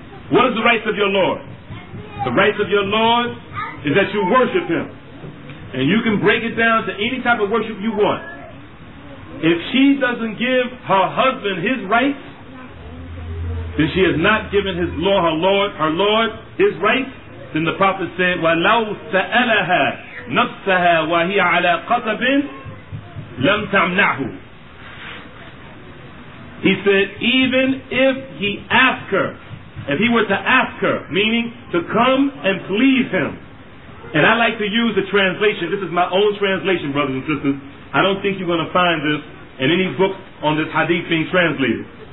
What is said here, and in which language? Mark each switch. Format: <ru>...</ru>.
<en>What is the rights of your Lord? The rights of your Lord is that you worship him. And you can break it down to any type of worship you want. If she doesn't give her husband his rights, then she has not given his Lord, her Lord his rights. Then the Prophet said,</en> <ar>وَلَوْ سَأَلَهَا نَفْسَهَا وَهِيَ عَلَى قَتَبٍ لَمْ تَعْمْنَعْهُ.</ar> <en>He said, even if he asked her, if he were to ask her, meaning to come and please him. And I like to use a translation. This is my own translation, brothers and sisters. I don't think you're going to find this in any book on this hadith being translated.</en>